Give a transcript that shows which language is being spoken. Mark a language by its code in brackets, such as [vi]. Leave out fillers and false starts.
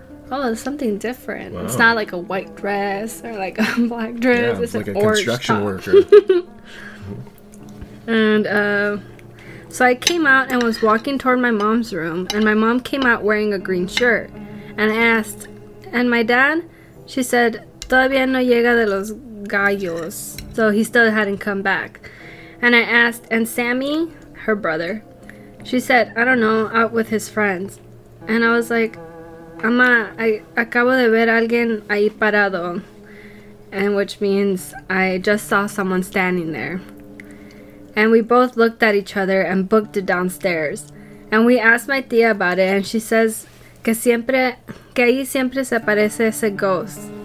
[en] Oh, it's something different. Wow. It's not like a white dress or like a black dress. Yeah, it's like an a orange construction top. Worker. And so I came out and was walking toward my mom's room, and my mom came out wearing a green shirt. And I asked, and my dad? [es] She said, todavía no llega de los gallos. [en] So he still hadn't come back. And I asked, and Sammy? Her brother. She said, I don't know, out with his friends. And I was like, Ama, I [es] acabo de ver alguien ahí parado. [en] And which means I just saw someone standing there. And we both looked at each other and booked it downstairs. And we asked my tia about it, and she says, [es] que ahí siempre se aparece ese [en] ghost.